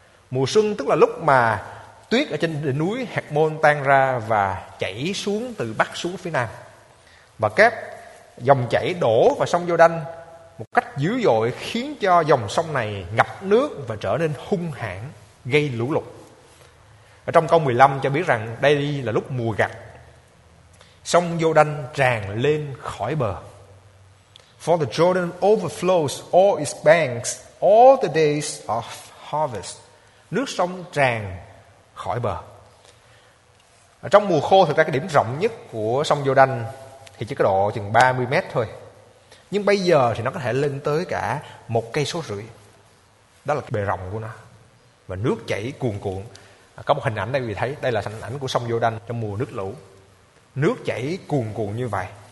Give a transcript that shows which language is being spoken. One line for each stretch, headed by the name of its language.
Vietnamese: Mùa xuân tức là lúc mà tuyết ở trên đỉnh núi Hẹt-môn tan ra và chảy xuống từ bắc xuống phía nam, và các dòng chảy đổ vào sông Giô-đanh một cách dữ dội khiến cho dòng sông này ngập nước và trở nên hung hãn, gây lũ lụt. Ở trong câu 15 cho biết rằng đây là lúc mùa gặt, sông Giô-đanh tràn lên khỏi bờ.
English: For the Jordan overflows all its banks all the days of harvest.
Vietnamese: Nước sông tràn khỏi bờ. Ở trong mùa khô, thực ra cái điểm rộng nhất của sông Giô-đanh thì chỉ có độ chừng 30 mét thôi, nhưng bây giờ thì nó có thể lên tới cả 1,5 cây. Đó là bề rộng của nó, và nước chảy cuồn cuộn. Có một hình ảnh đây quý vị thấy, đây là hình ảnh của sông Giô-đanh trong mùa nước lũ, nước chảy cuồn cuộn như vậy.